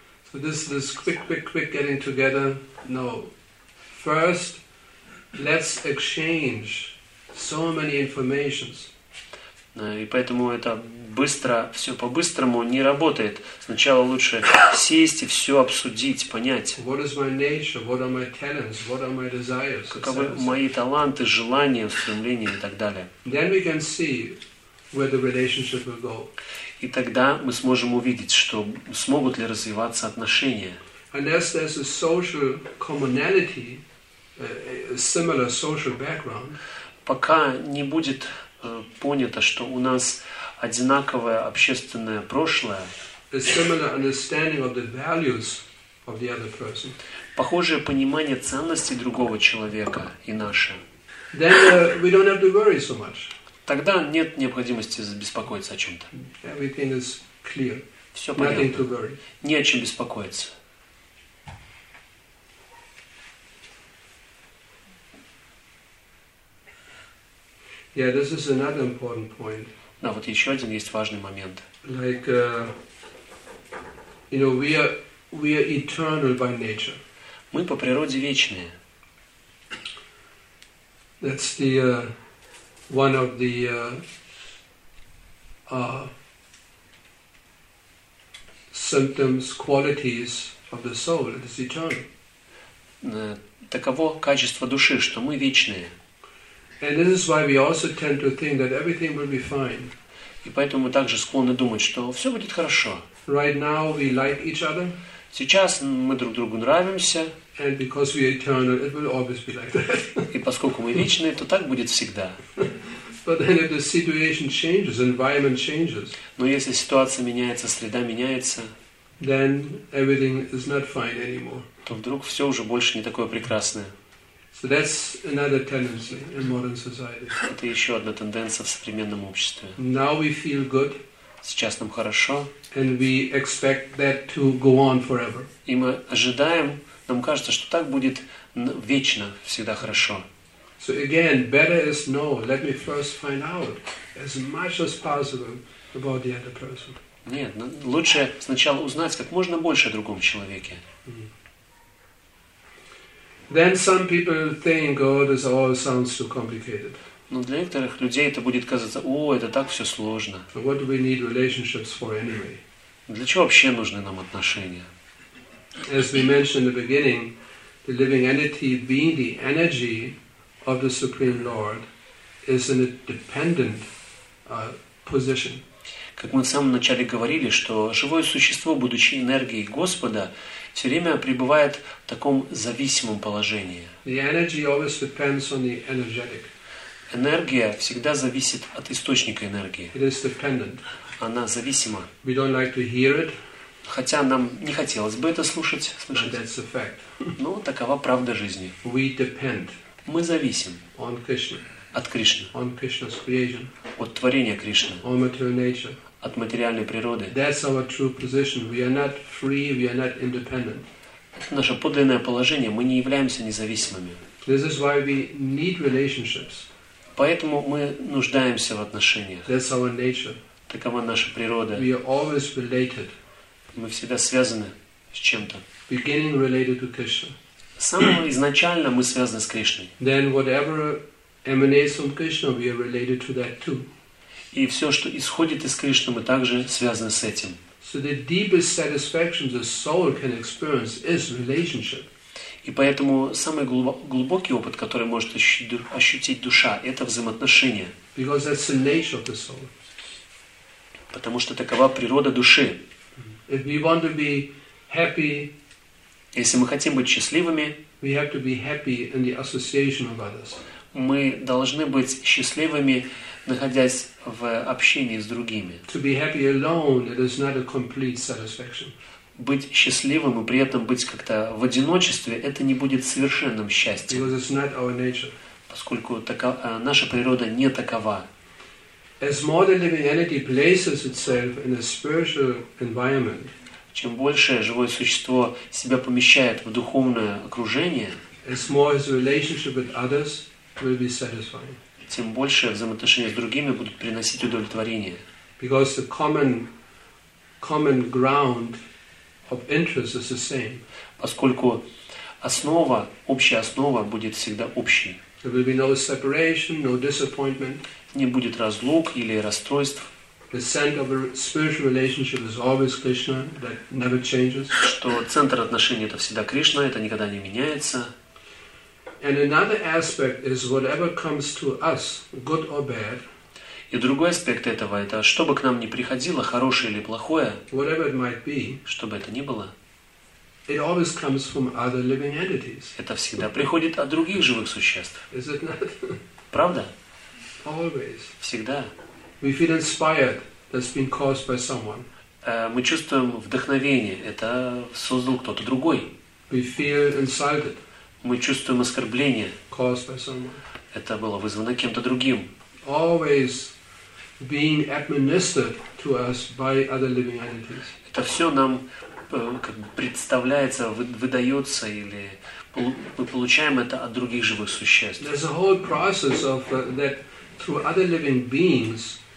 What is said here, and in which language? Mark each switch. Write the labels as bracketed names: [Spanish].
[English] So this quick getting together. No. First, let's exchange so many informations. [Russian] И поэтому это быстро, все по-быстрому не работает. Сначала лучше сесть и все обсудить, понять. [English] What is my nature? What are my talents? What are my desires? [Russian] Каковы мои таланты, желания, стремления и так далее. [English] Then we can see where the relationship will go. [Russian] И тогда мы сможем увидеть, что смогут ли развиваться отношения. [English] Unless there's a social commonality, a similar social background. [Russian] Пока не будет понято, что у нас одинаковое общественное прошлое, [English] a similar understanding of the values of the other person, [Russian] похожее понимание ценностей другого человека и наше, [English] then we don't have to worry so much. [Russian] Тогда нет необходимости беспокоиться о чем-то. [English] Everything is clear. [Russian] Все понятно. [English] Nothing to worry. [Russian] Не о чем беспокоиться. [English] Yeah, this is another important point. [Russian] Да, вот еще один есть важный момент. [English] Like, we are eternal by nature. [Russian] Мы по природе вечные. [English] That's the one of the symptoms, qualities of the soul. It is eternal. [Russian] Таково качество души, что мы вечные. [English] And this is why we also tend to think that everything will be fine. [Russian] И поэтому мы также склонны думать, что все будет хорошо. [English] Right now we like each other. [Russian] Сейчас мы друг другу нравимся. [English] And because we are eternal, it will always be like that. [Russian] И поскольку мы вечные, то так будет всегда. [English] But then if the situation changes, environment changes. [Russian] Но если ситуация меняется, среда меняется, [English] then everything is not fine anymore. [Russian] То вдруг все уже больше не такое прекрасное. [English] So that's another tendency in modern society. [Russian] Это еще одна тенденция в современном обществе. [English] Now we feel good. [Russian] Сейчас нам хорошо. [English] And we expect that to go on forever. [Russian] И мы ожидаем, нам кажется, что так будет вечно, всегда хорошо. [English] So again, better is no. Let me first find out as much as possible about the other person. [Russian] Нет, лучше сначала узнать как можно больше о другом человеке. [English] Then some people think, oh, this all sounds too complicated. [Russian] Но для некоторых людей это будет казаться, о, это так все сложно. [English] What do we need relationships for anyway? [Russian] Для чего вообще нужны нам отношения? [English] As we mentioned in the beginning, the living entity being the energy of the Supreme Lord is in a dependent position. [Russian] Как мы в самом начале говорили, что живое существо, будучи энергией Господа, все время пребывает в таком зависимом положении. [English] The energy always depends on the energetic. [Russian] Энергия всегда зависит от источника энергии. [English] It is dependent. [Russian] Она зависима. [English] We don't like to hear it. [Russian] Хотя нам не хотелось бы это слушать. [English] But that's a fact. [Russian] Но такова правда жизни. [English] We depend. [Russian] Мы зависим. [English] On Krishna. [Russian] От Кришны. [English] On Krishna's creation. [Russian] От творения Кришны. [English] On material nature. [Russian] От материальной природы. [English] That's our true position. We are not free, we are not independent. [Russian] Это наше подлинное положение. Мы не являемся независимыми. [English] This is why we need relationships. [Russian] Поэтому мы нуждаемся в отношениях. [English] That's our nature. [Russian] Такова наша природа. [English] We are always related. [Russian] Мы всегда связаны с чем-то. [English] Beginning related to Krishna. [Russian] С самого изначально мы связаны с Кришной. [English] Then whatever emanates from Krishna, we are related to that too. [Russian] И все, что исходит из Кришны, мы также связаны с этим. [English] So the deepest satisfaction the soul can experience is relationship. [Russian] И поэтому самый глубокий опыт, который может ощутить душа, это взаимоотношения. [English] Because that's the nature of the soul. [Russian] Потому что такова природа души. [English] If we want to be happy, [Russian] если мы хотим быть счастливыми, [English] we have to be happy in the association of others. [Russian] Мы должны быть счастливыми, находясь в общении с другими. [English] To be happy alone, it is not a complete satisfaction. [Russian] Быть счастливым и при этом быть как-то в одиночестве, это не будет совершенным счастьем. [English] Because it's not our nature. [Russian] Поскольку наша природа не такова. [English] As more the living entity places itself in a spiritual environment, [Russian] чем больше живое существо себя помещает в духовное окружение, [English] as more its relationship with others will be satisfying. [Russian] Тем больше взаимоотношения с другими будут приносить удовлетворение. [English] Because the common ground of interest is the same. [Russian] Поскольку основа, общая основа будет всегда общей. [English] There will be no separation, no disappointment. [Russian] Не будет разлук или расстройств. [English] The center of a spiritual relationship is always Krishna, that never changes. [Russian] Что центр отношений это всегда Кришна, это никогда не меняется. [English] And another aspect is whatever comes to us, good or bad. [Russian] И другой аспект этого это что бы к нам ни приходило, хорошее или плохое. [English] Whatever it might be. [Russian] Что бы это ни было. [English] It always comes from other living entities. [Russian] Это всегда приходит от других живых существ. [English] Is it not? [Russian] Правда? [English] Always. [Russian] Всегда. [English] We feel inspired. That's been caused by someone. [Russian] Мы чувствуем вдохновение. Это создал кто-то другой. [English] We feel insulted. [Russian] Мы чувствуем оскорбление. [English] Caused by someone. [Russian] Это было вызвано кем-то другим. [English] Always being administered to us by other living entities. [Russian] Это все нам представляется, выдается или мы получаем это от других живых существ. [English] There's a whole process of that through other living beings.